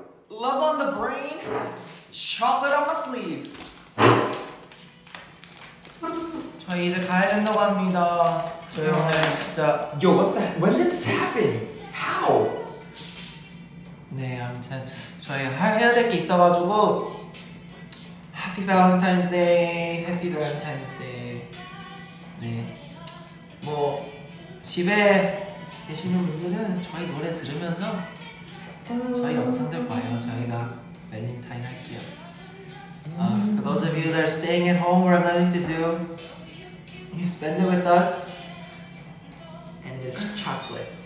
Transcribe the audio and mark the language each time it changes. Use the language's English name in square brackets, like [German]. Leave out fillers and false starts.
[English] Love on the brain, chocolate on my sleeve. [Korean] 저희 이제 가야 된다고 합니다. 저희 오늘 진짜 [English] Yo, what the? When did this happen? How? [Korean] 네, 아무튼 저희 해야 될 게 있어가지고 [English] Happy Valentine's Day, Happy Valentine's Day. [Korean] 네, 뭐 집에 계시는 분들은 저희 노래 들으면서 저희 영상들 봐요. 저희가 Valentine 할게요. [English] For those of you that are staying at home or have nothing to do. You spend it with us and this chocolate